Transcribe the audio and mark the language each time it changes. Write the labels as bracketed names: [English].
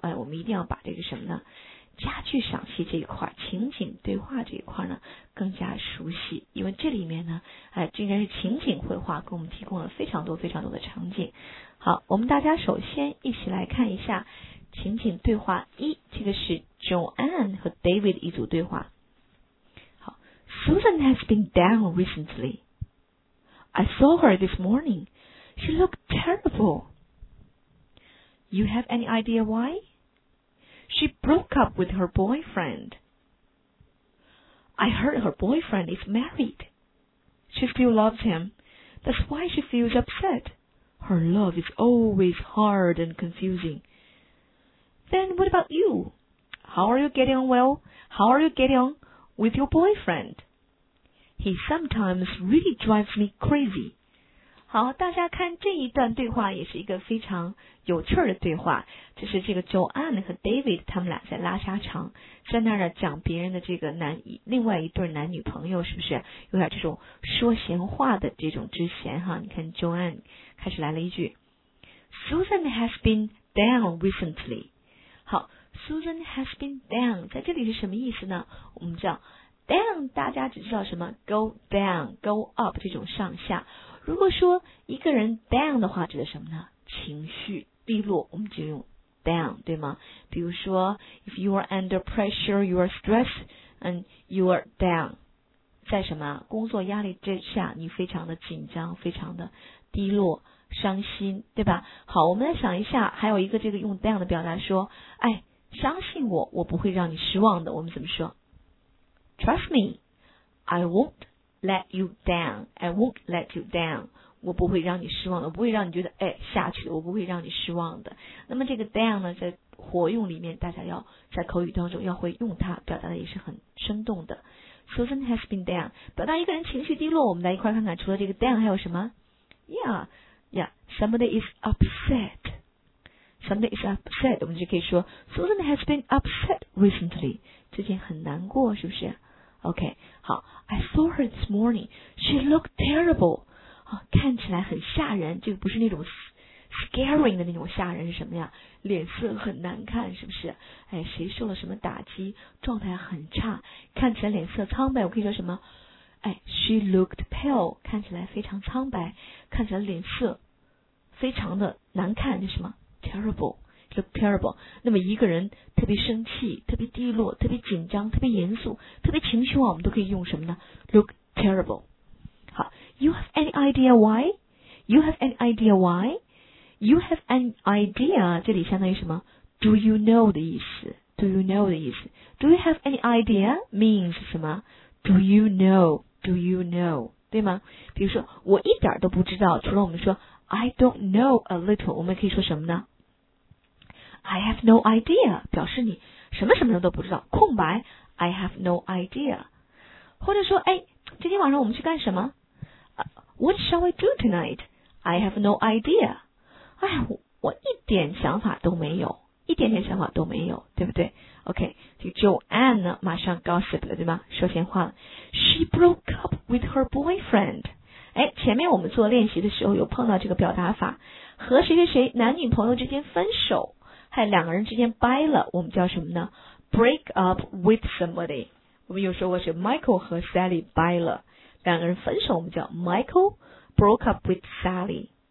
[Chinese] 哎，我们一定要把这个什么呢？家具赏析这一块，情景对话这一块呢，更加熟悉，因为这里面呢，哎，竟然是情景绘画，给我们提供了非常多非常多的场景。好，我们大家首先一起来看一下情景对话一，这个是 Joanne 和 David 一组对话。 [English] Susan has been down recently. I saw her this morning. She looked terrible. You have any idea why? She broke up with her boyfriend. I heard her boyfriend is married. She still loves him. That's why she feels upset. Her love is always hard and confusing. Then what about you? How are you getting on well? How are you getting on with your boyfriend? He sometimes really drives me crazy. [Chinese] 好，大家看这一段对话也是一个非常有趣的对话，就是这个 Joanne 和 David 他们俩在拉沙场，在那儿讲别人的这个另外一对男女朋友，是不是有点这种说闲话的这种之嫌哈？你看 [English] Joanne [Chinese] 开始来了一句 [English] Susan has been down recently. [Chinese] 好， [English] Susan has been down [Chinese] 在这里是什么意思呢？我们叫down， 大家只知道什么 go down go up 这种上下，如果说一个人 down 的话指的什么呢？情绪低落，我们就用 down， 对吗？比如说 [English] if you are under pressure you are stressed and you are down， [Chinese] 在什么工作压力之下你非常的紧张非常的低落伤心，对吧？好，我们来想一下还有一个这个用 down 的表达，说哎，相信我，我不会让你失望的，我们怎么说？ [English] Trust me, I won't let you down. I won't let you down. [Chinese] 我不会让你失望的，我不会让你觉得哎下去的，我不会让你失望的。那么这个 down 呢，在活用里面，大家要在口语当中要会用它，表达的也是很生动的。 [English] Susan has been down. [Chinese] 表达一个人情绪低落，我们来一块看看，除了这个 down 还有什么 ？ [English] Yeah, yeah. Somebody is upset. Somebody is upset. [Chinese] 我们就可以说 [English] Susan has been upset recently. [Chinese] 最近很难过，是不是 [English] ？OK， 好 ，I saw her this morning. She looked terrible. [Chinese] 啊，看起来很吓人，就不是那种 scaring 的那种吓人，是什么呀？脸色很难看，是不是？哎，谁受了什么打击，状态很差，看起来脸色苍白。我可以说什么？ [English] 哎 ，She looked pale. [Chinese] 看起来非常苍白，看起来脸色非常的难看，是什么 ？ [English] Terrible. Look terrible. [Chinese] 那么一个人特别生气，特别低落，特别紧张，特别严肃，特别情绪化，我们都可以用什么呢？ [English] Look terrible. [Chinese] 好， [English] You have any idea why? You have any idea why? You have an idea. [Chinese] 这里相当于什么？ [English] Do you know [Chinese] 的意思？ [English] Do you know 的意思？ Do you have any idea? Means [Chinese] 什么？ [English] Do you know? Do you know? 对吗？ [Chinese] 比如说，我一点都不知道。除了我们说 [English] I don't know a little， [Chinese] 我们可以说什么呢？ [English] I have no idea， [Chinese] 表示你什么什么都不知道，空白。 [English] I have no idea， [Chinese] 或者说，哎，今天晚上我们去干什么 [English] ？What shall we do tonight？ I have no idea。 [Chinese] 哎，我一点想法都没有，一点点想法都没有，对不对 ？OK， 这个 Joanne 呢，马上 gossip 了，对吗？说闲话了。 [English] She broke up with her boyfriend。 [Chinese] 哎，前面我们做练习的时候有碰到这个表达法，和谁谁谁男女朋友之间分手。还两个人之间掰了，我们叫什么呢？ [English] Break up with somebody。 [Chinese] 我们有说过是 Michael 和 Sally 掰了，两个人分手，我们叫 [English] Michael broke up with Sally。